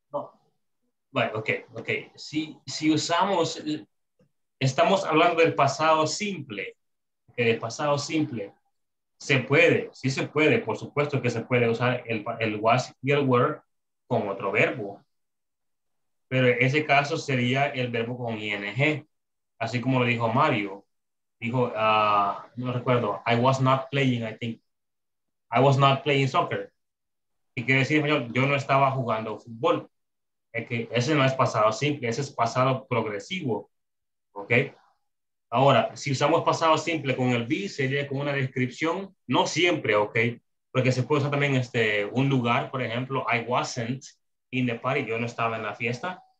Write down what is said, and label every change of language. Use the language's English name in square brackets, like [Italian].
[Spanish] No. Bueno, okay. Si usamos, estamos hablando del pasado simple. El pasado simple. Se puede, sí se puede, por supuesto que se puede usar el was y el were con otro verbo. Pero en ese caso sería el verbo con ing. Así como lo dijo Mario. Dijo, no recuerdo, [English] I was not playing, I think. I was not playing soccer. [Spanish] Y quiere decir, yo no estaba jugando fútbol. Es que ese no es pasado simple, ese es pasado progresivo. ¿Ok? Ahora, si usamos pasado simple con el be, sería como una descripción. No siempre, ¿ok? Porque se puede usar también un lugar, por ejemplo, [English] I wasn't in the party, [Spanish] yo no estaba en la fiesta.